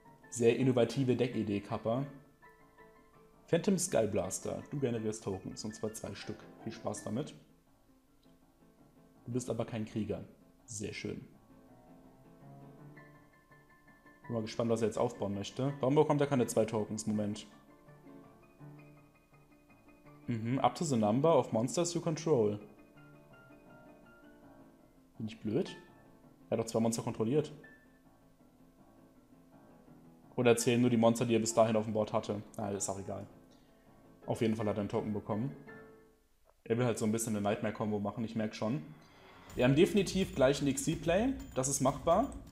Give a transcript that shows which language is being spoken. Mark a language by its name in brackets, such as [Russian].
[German] Sehr innovative Deckidee, Kappa. Phantom Skyblaster. Du generierst Tokens, und zwar 2 Stück. Viel Spaß damit. Du bist aber kein Krieger. Sehr schön. Bin mal gespannt, was er jetzt aufbauen möchte. Warum bekommt er keine 2 Tokens? Moment. [English] Up to the number of monsters you control. [German] Bin ich blöd? Er hat doch 2 Monster kontrolliert. Oder zählen nur die Monster, die er bis dahin auf dem Board hatte. Na, ist auch egal. Auf jeden Fall hat er einen Token bekommen. Er will halt so ein bisschen eine Nightmare-Combo machen, ich merke schon. Wir haben definitiv gleich ein XC-Play. Das ist machbar.